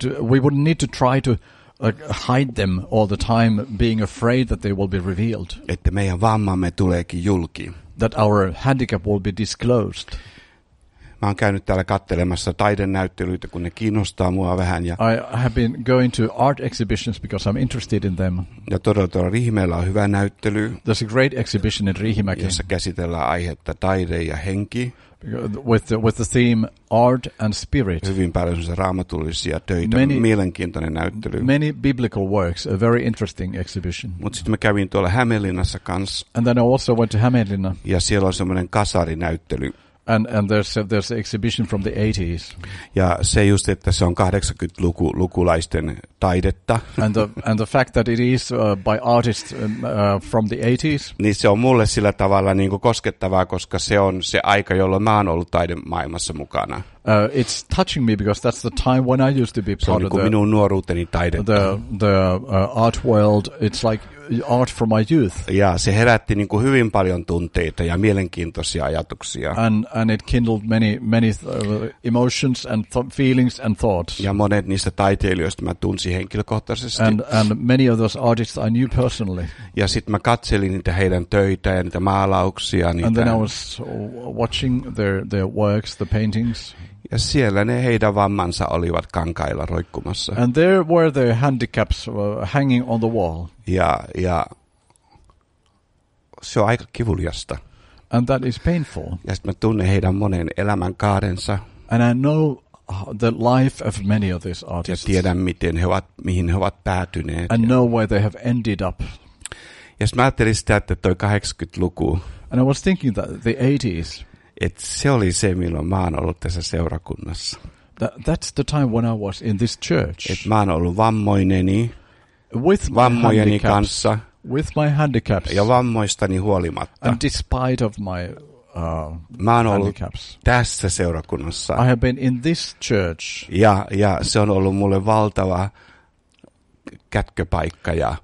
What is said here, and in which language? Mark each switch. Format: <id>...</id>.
<en>We wouldn't need to try to hide them all the time, being afraid that they will be revealed.</en> <fi>Että meidän vammamme tuleekin julki.</fi> <en>That our handicap will be disclosed.</en> <fi>Mä oon käynyt täällä katselemassa taidenäyttelyitä, kun ne kiinnostaa mua vähän. Ja</fi> <en>I have been going to art exhibitions because I'm interested in them.</en> <fi>Ja todella Riihimäellä on hyvä näyttely.</fi> <en>There's a great exhibition in Riihimäki.</en> <fi>Jossa käsitellään aihetta taide ja henki.</fi> <en>With the theme art and spirit.</en> <fi>Hyvin paljon semmoisia raamatullisia töitä.</fi> <en>Many,</en> <fi>mielenkiintoinen näyttely.</fi> <en>Many biblical works, a very interesting exhibition.</en> <fi>Mut sitten mä kävin tuolla Hämeenlinnassa kanssa.</fi> <en>And then I also went to Hämeenlinna.</en> <fi>Ja siellä on semmoinen kasarinäyttely.</fi> <en>And there's an exhibition from the 80s.</en> <fi>Ja se just, että se on 80-lukulaisten taidetta.</fi> <en>And the fact that it is by artists from the 80s.</en> <fi>Niin se on mulle sillä tavalla niin kuin koskettavaa, koska se on se aika, jolloin mä oon ollut taidemaailmassa mukana.</fi> <en>It's touching me because that's the time when I used to be part of</en> <fi>minun nuoruuteni taidetta.</fi> <en>The art world, it's like art from my youth.</en> <fi>Ja se herätti niin kuin hyvin paljon tunteita ja mielenkiintoisia ajatuksia.</fi> <en>And it kindled many emotions and feelings and thoughts.</en> <fi>Ja monet niistä taiteilijoista mä tunsin henkilökohtaisesti.</fi> <en>And many of those artists I knew personally.</en> <fi>Ja sitten mä katselin niitä heidän töitä ja niitä maalauksia. Niitä.</fi> <en>And then I was watching their works, the paintings.</en> <fi>Ja siellä ne heidän vammansa olivat kankailla roikkumassa.</fi> <en>And there were their handicaps hanging on the wall.</en> <fi>Ja se on aika kivuliasta.</fi> <en>And that is painful.</en> <fi>Ja sitten mä tunnen heidän monen elämän kaarensa.</fi> <en>And I know the life of many of these artists.</en> <fi>Ja tiedän miten he ovat, mihin he ovat päätyneet.</fi> <en>And know where they have ended up.</en> <fi>Ja sitten mä ajattelin sitä, että toi 80-luku.</fi> <en>And I was thinking that the 80s.</en> <fi>Et se oli se, milloin mä oon ollut tässä seurakunnassa.</fi> <en>That's the time when I was in this church.</en> <fi>Et mä oon ollut vammoineni,</fi> <en>with</en> <fi>vammojeni kanssa,</fi> <en>with my handicaps,</en> <fi>ja vammoistani huolimatta.</fi> <en>And despite of my</en> <fi>mä oon</fi> <en>handicaps.</en> <fi>Ollut tässä seurakunnassa.</fi> <en>I have been in this church.</en> <fi>Ja se on ollut mulle valtava kätköpaikka ja</fi>